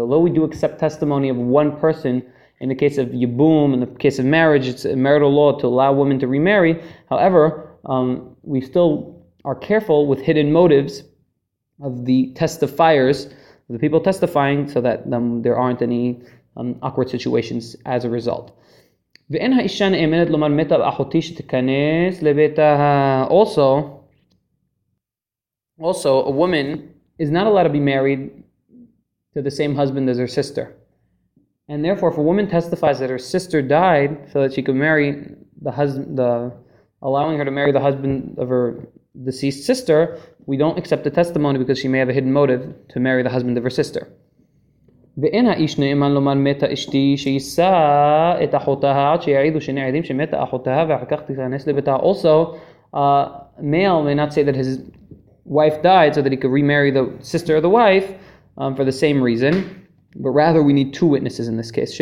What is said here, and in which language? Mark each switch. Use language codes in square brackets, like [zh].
[en] Although we do accept testimony of one person in the case of yibum, in the case of marriage, it's a marital law to allow women to remarry. However, we still are careful with hidden motives of the testifiers, the people testifying, so that there aren't any awkward situations as a result. [he] ואין האישה נאמנת לומר מתה אחותי שתיכנס לביתה. [en] Also, a woman is not allowed to be married to the same husband as her sister. And therefore, if a woman testifies that her sister died so that she could marry the husband, allowing her to marry the husband of her deceased sister, we don't accept the testimony because she may have a hidden motive to marry the husband of her sister. [he] ואין האיש נאמן לומר מתה אשתי שיישא את אחותה עד שיעידו שנעדים שמתה אחותה ואחר כך תיכנס לביתה. [en] Also, a male may not say that his wife died so that he could remarry the sister of the wife for the same reason, but rather we need two witnesses in this case.